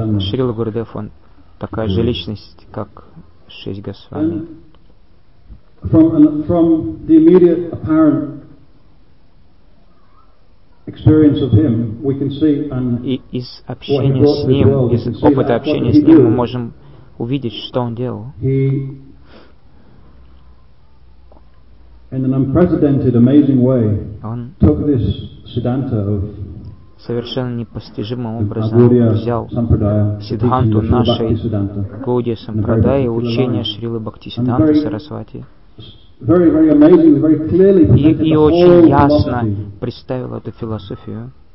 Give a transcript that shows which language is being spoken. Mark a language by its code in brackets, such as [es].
[ru] Шрила Гурудев, он такая же личность, как шесть госвами. [en] From the immediate apparent experience of him, we can see and [ru] из общения с ним, из опыта общения с ним, мы можем увидеть, что он делал. [en] In an unprecedented, amazing way, он took this Siddhanta of [ru] совершенно непостижимым образом взял Сиддханту нашей Гаудия Сампрадайи, учение Шрилы Бхактисиддханты Сарасвати. И очень ясно представил эту философию.